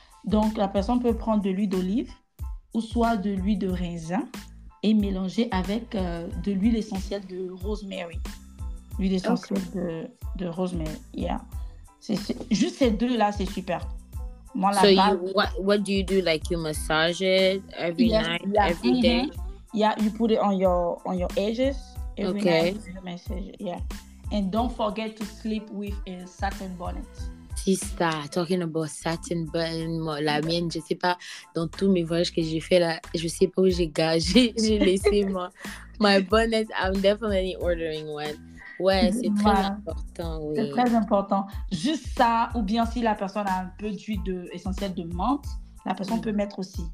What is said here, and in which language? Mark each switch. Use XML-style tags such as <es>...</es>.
<fr>Donc, la personne peut prendre de l'huile d'olive. Ou soit de l'huile de raisin et mélanger avec de l'huile essentielle de rosemary. L'huile essentielle de rosemary, yeah. C'est juste ces deux-là, c'est super. Moi, la base...</fr> <en>what do you do? Like, you massage it every night, every day? Yeah, you put it on your edges. Every night, you massage it, yeah. And don't forget to sleep with a satin bonnet. Sister, talking about satin button,</en> <fr>moi, la mienne, je sais pas, dans tous mes voyages que j'ai fait là, je sais pas où j'ai gagé, j'ai laissé</fr> <en>my bonnet, I'm definitely ordering one.</en> <fr>Ouais, c'est très important, oui. C'est très important. Juste ça, ou bien si la personne a un peu d'huile essentielle de menthe, la personne peut mettre aussi.</fr>